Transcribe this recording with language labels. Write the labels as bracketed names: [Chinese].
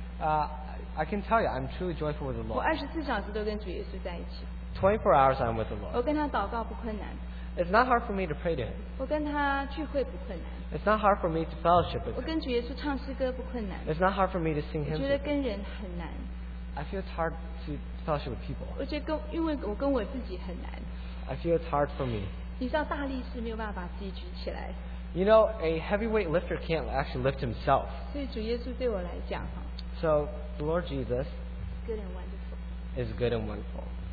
[English] I can tell you, I'm truly joyful with the Lord. [Chinese] 我24小时都跟主耶稣在一起。 [English] 24 hours I'm with the Lord. [Chinese] 我跟他祷告不困难。 [English] It's not hard for me to pray to him. [Chinese] 我跟他聚会不困难。 [English] It's not hard for me to fellowship with him. [Chinese] 我跟主耶稣唱诗歌不困难。 [English] It's not hard for me to sing him. [Chinese] 我觉得跟人很难。 [English] I feel it's hard to fellowship with people. [Chinese] 我觉得因为我跟我自己很难。 [English] I feel it's hard for me. [Chinese] 你知道大力士没有办法把自己举起来。 [English] You know, a heavyweight lifter can't actually lift himself. So, the Lord Jesus is good and wonderful.